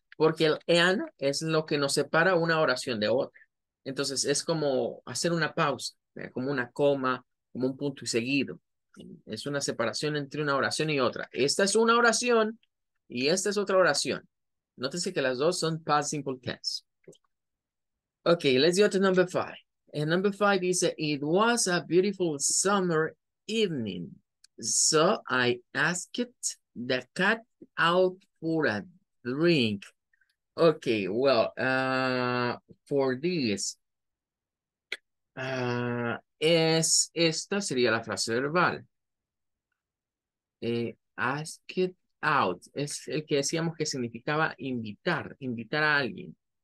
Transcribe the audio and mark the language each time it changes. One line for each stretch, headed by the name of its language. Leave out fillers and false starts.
Spanish: Porque el and es lo que nos separa una oración de otra. Entonces es como hacer una pausa, como una coma, como un punto y seguido. Es una separación entre una oración y otra. Esta es una oración y esta es otra oración. Nótese que las dos son past simple tense.
English: Ok, let's go to number five. And number five dice: It was a beautiful summer evening. So I asked the cat out for a drink. Okay, well, for this,
Spanish: esta sería la frase verbal. Ask it out es el que decíamos que significaba invitar a alguien.